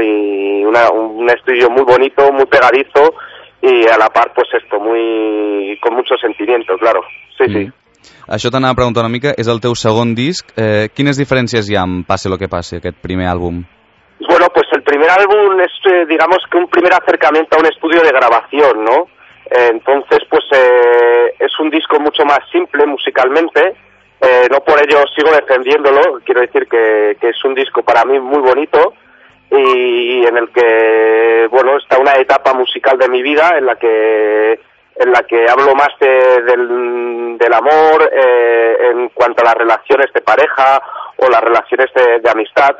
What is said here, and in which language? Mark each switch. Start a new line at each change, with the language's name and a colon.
Spanish: Y un estudio muy bonito, muy pegadizo, y a la par pues esto, muy con mucho sentimiento, claro. Sí.
Catalan: Això t'anava a preguntar una mica, és el teu segon disc. Quines diferències hi ha amb Passe lo que passe, aquest primer àlbum?
Spanish: Bueno, pues el primer álbum es, digamos, que un primer acercamiento a un estudio de grabación, ¿no? Entonces, pues es un disco mucho más simple musicalmente. No por ello sigo defendiéndolo, quiero decir que es un disco para mí muy bonito y en el que, bueno, está una etapa musical de mi vida en la que hablo más del amor en cuanto a las relaciones de pareja o las relaciones de amistad.